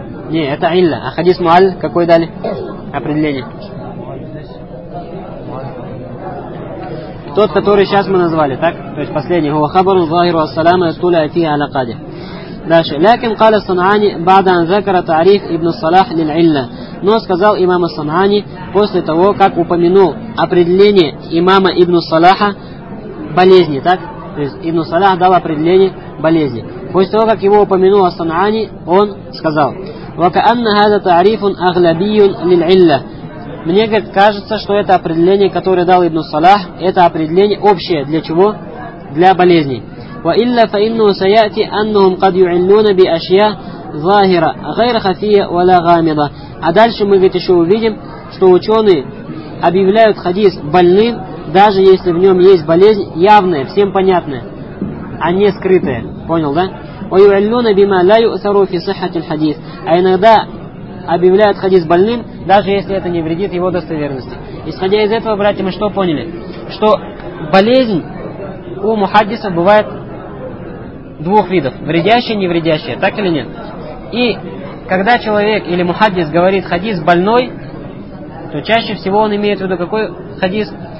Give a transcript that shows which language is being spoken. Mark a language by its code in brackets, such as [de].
[ru] Не, это илля. А хадис муаль какое дали определение? Тот, который сейчас мы назвали, так? То есть последний. [ar] هو خبر ظاهر والسلام يطلع فيه على قاده. [ru] Дальше. [ar] لكن قال الصنعاني بعد أن ذكر تعريف ابن الصلاح للعلة. [ru] Но сказал имам الصنعاني после того, как упомянул определение имама ибн Салаха болезни, так? То есть ибн Салах дал определение болезни. После того, как его упомянул الصنعاني, он сказал: [ar] وكأن هذا تعريف أغلبي للعلة. [ru] Мне, говорит, кажется, что это определение, которое дал ибн Салах, это определение общее для чего? Для болезней. [ar] وإلا فإنه سيأتي أنهم قد يعلون بأشياء ظاهرة غير خفية ولا غامضة. [ru] А дальше мы, говорит, еще увидим, что ученые объявляют хадис больным, даже если в нем есть болезнь явная, всем понятная, а не скрытая. Понял, да? [ar] ويعلون بما لا يؤثر في صحة الحديث. [ru] А иногда объявляют хадис больным, даже если это не вредит его достоверности. Исходя из этого, братья, мы что поняли? Что болезнь у мухаддисов бывает двух видов. Вредящая, невредящая. Так или нет? И когда человек или мухаддис говорит хадис больной, то чаще всего он имеет в виду какой хадис?